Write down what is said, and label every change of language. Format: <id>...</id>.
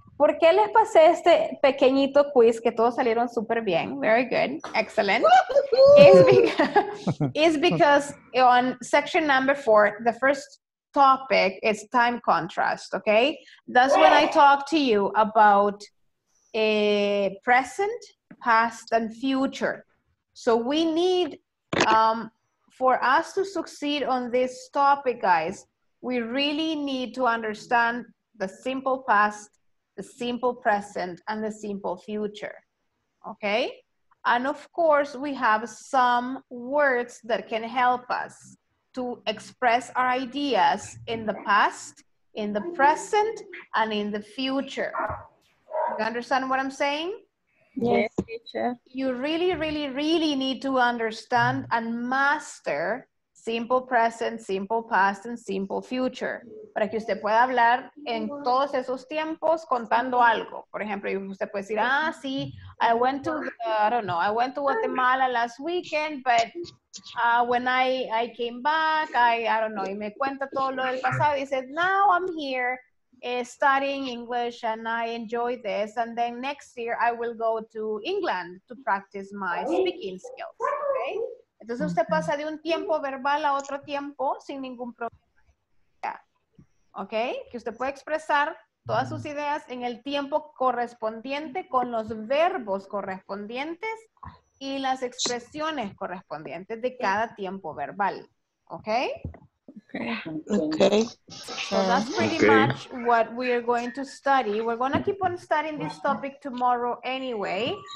<es>¿Por qué les pasé este pequeñito quiz que todos salieron súper bien?</es> <en>Very good. Excellent. It's because on section number 4, the first topic is time contrast, okay? That's when I talk to you about a present, past, and future. So we need, for us to succeed on this topic, guys, we really need to understand the simple past, the simple present, and the simple future, okay? And of course, we have some words that can help us to express our ideas in the past, in the present, and in the future. You understand what I'm saying? Yes, teacher. You really, really, really need to understand and master simple present, simple past, and simple future.</en> <es>Para que usted pueda hablar en todos esos tiempos contando algo. Por ejemplo, usted puede decir, ah, sí,</es> <en>I went to Guatemala last weekend, but when I came back, I don't know,</en> <es>y me cuenta todo lo del pasado.</es> <en>He said, now I'm here studying English and I enjoy this. And then next year I will go to England to practice my speaking skills, okay?</en> <es>Entonces usted pasa de un tiempo verbal a otro tiempo sin ningún problema. Yeah. ¿Ok? Que usted puede expresar todas sus ideas en el tiempo correspondiente con los verbos correspondientes y las expresiones correspondientes de cada tiempo verbal. ¿Ok? Ok.</es> <en>So that's pretty much what we are going to study. We're going to keep on studying this topic tomorrow anyway.</en>